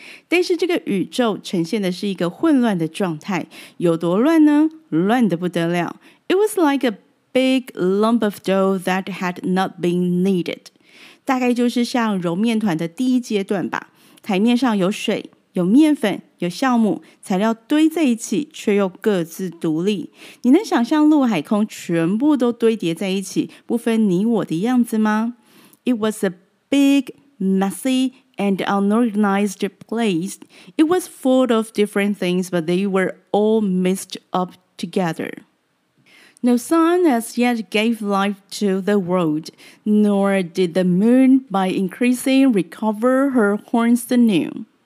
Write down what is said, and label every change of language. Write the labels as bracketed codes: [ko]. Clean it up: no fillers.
[zh] 但是这个宇宙呈现的是一个混乱的状态。有多乱呢？乱得不得了。 [en] It was like a big lump of dough that had not been kneaded. [zh] 大概就是像揉面团的第一阶段吧。台面上有水，有面粉，有酵母，材料堆在一起，却又各自独立。你能想象陆海空全部都堆叠在一起，不分你我的样子吗？ [en] It was a big, messy, and unorganized place. It was full of different things, but they were all mixed up together. No sun as yet gave life to the world, nor did the moon by increasing recover her horns anew.